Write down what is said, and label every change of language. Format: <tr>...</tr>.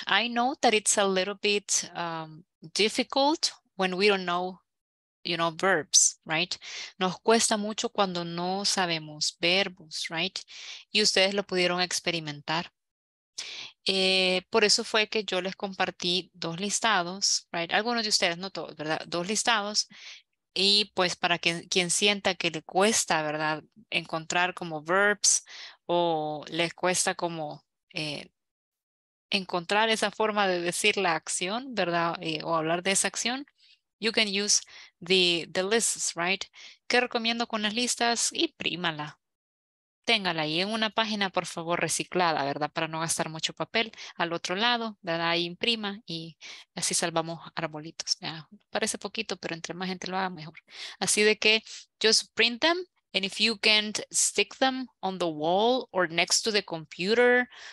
<en>I know that it's a little bit difficult when we don't know, you know, verbs, right?</en> <es>Nos cuesta mucho cuando no sabemos verbos,</es> <en>right?</en> <es>Y ustedes lo pudieron experimentar. Por eso fue que yo les compartí dos listados,</es> <en>right?</en> <es>Algunos de ustedes, no todos, ¿verdad? Dos listados. Y pues para quien sienta que le cuesta, ¿verdad? Encontrar como verbs o les cuesta como encontrar esa forma de decir la acción, ¿verdad? O hablar de esa acción.</es> <en>You can use the lists, right?</en> <es>¿Qué recomiendo con las listas? Imprímala. Téngala ahí en una página, por favor, reciclada, ¿verdad? Para no gastar mucho papel. Al otro lado, ¿verdad? Ahí imprima y así salvamos arbolitos. ¿Verdad? Parece poquito, pero entre más gente lo haga, mejor. Así de que,</es> <en>just print them. And if you can't stick them on the wall or next to the computer</en>